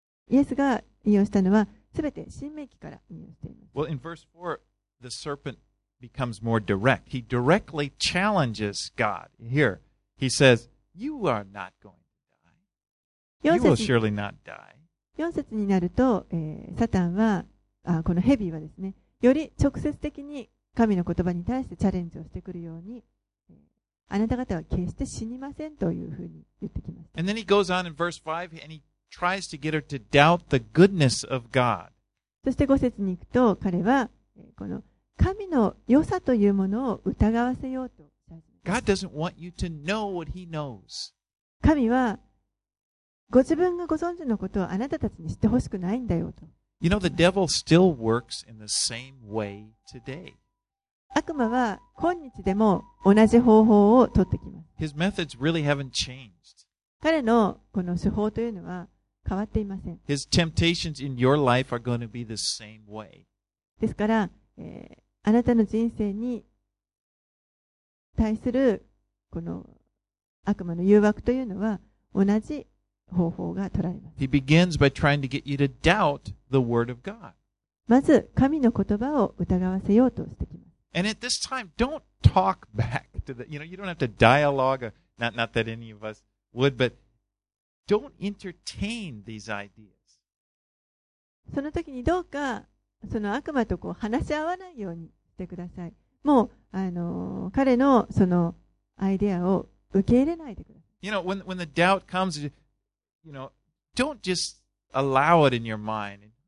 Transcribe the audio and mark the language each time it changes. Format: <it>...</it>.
<ja>イエスが引用したのは、すべて新命記から引用しています。</ja> <en>Well, in verse 4, the serpent becomes more direct. He directly challenges God. Here, he says, You are not going to die. You will surely not die.</en> <ja>4節になると、サタンは、この蛇はですね、より直接的に神の言葉に対してチャレンジをしてくるように、あなた方は決して死にませんというふうに言ってきました。</ja> <en>And then he goes on in verse 5 and he tries to get her to doubt the goodness of God.</en> <ja>そして5節に行くと彼はこの神の良さというものを疑わせようと。</ja> <en>God doesn't want you to know what he knows.</en> <ja>神はご自分がご存知のことをあなたたちに知ってほしくないんだよと。</ja> <en>You know, the devil still works in the same way today.</en> <ja>悪魔は今日でも同じ方法を取ってきます。</ja> <en>His methods really haven't changed.</en> <ja>彼のこの手法というのは変わっていません。</ja> <en>His temptations in your life are going to be the same way.</en> <ja>ですから、あなたの人生に対するこの悪魔の誘惑というのは同じ方法が取られます。</ja> <en>He begins by trying to get you to doubt the word of God.</en> <ja>まず神の言葉を疑わせようとしてきます。</ja> <en>And at this time, don't talk back to the, you know, you don't have to dialogue, not that any of us would, but don't entertain these ideas.</en> <ja>その時にどうか、その悪魔とこう話し合わないようにしてください。もう、彼のそのアイデアを受け入れないでください。</ja> <en>You know, when the doubt comes, you know, don't just allow it in your mind.</en>